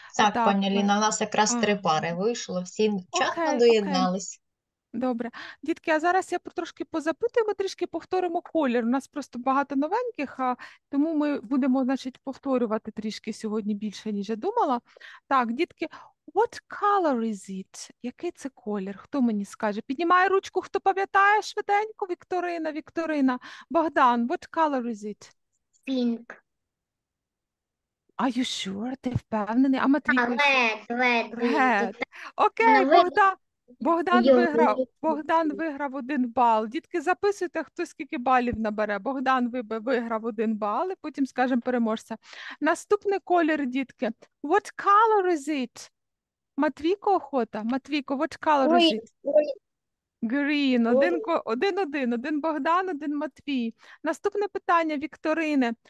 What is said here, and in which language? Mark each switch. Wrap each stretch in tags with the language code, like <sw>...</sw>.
<uk>Так, пані Ліна, у нас якраз три пари вийшло, всі чахно доєднались. Добре. Дітки, а зараз я трошки позапитую, ми трішки повторимо колір. У нас просто багато новеньких, а тому ми будемо, значить, повторювати трішки сьогодні більше, ніж я думала. Так, дітки,</uk> <en>what color is it?</en> <uk>Який це колір? Хто мені скаже? Піднімай ручку, хто пам'ятає швиденько, Вікторина.</uk> <en>Богдан, what color is it? Pink. Are you sure?</en> <uk>Ти впевнений? А Матвійко?</uk> <en>Red.</en> <uk>Окей, Богдан виграв. Богдан виграв 1 бал. Дітки, записуйте, хто скільки балів набере. Богдан виграв 1 бал, і потім скажемо переможця. Наступний колір, дітки.</uk> <en>What color is it?</en> <uk>Матвійко охота?</uk> <en>Матвійко, what color is it?</en> <uk>Green. Один Богдан, один Матвій. Наступне питання, Вікторини.</uk>